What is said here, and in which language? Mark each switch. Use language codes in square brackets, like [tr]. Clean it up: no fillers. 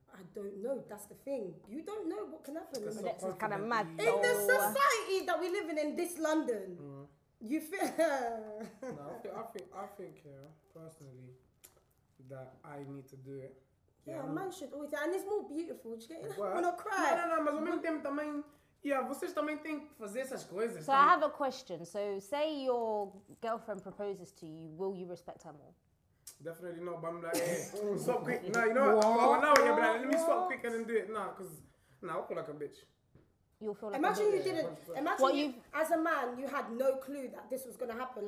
[en] I don't know. That's the thing. You don't know what can happen. Rejection's kind of mad. In the society that we live in this London, you feel... I think yeah, personally, that I need to do it. Yeah, a man should always, and it's more beautiful. Do you get it? When I cry. [pt] No, mas o mesmo tempo também. [en] Yeah, [pt] vocês também têm que fazer essas coisas. [en] So I have a question. So say your girlfriend proposes to you, will you respect her more? Definitely not. But I'm like, hey, stop quick. No, you know what? Well, now you're like, let me stop quick and then do it. Nah, because I'll feel like a bitch. You'll feel like imagine you didn't. Imagine what you, as a man, you had no clue that this was going to happen.